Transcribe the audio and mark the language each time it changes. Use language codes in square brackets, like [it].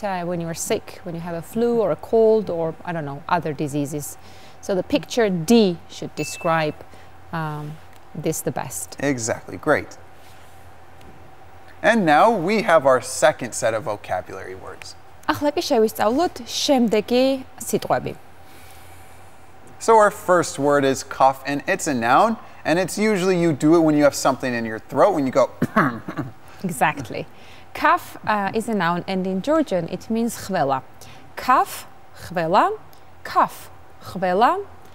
[en] When you are sick, when you have a flu or a cold or, I don't know, other diseases. So the picture D should describe this the best. Exactly, great. And now we have our second set of vocabulary words. [ka] ახლა კი შევისწავლოთ შემდეგი სიტყვები. [en] So our first word is cough, and it's a noun, and it's usually you do it when you have something in your throat, when you go Exactly. Cough is a noun, and in Georgian it means chvela. Cough, chvela. Cough, chvela.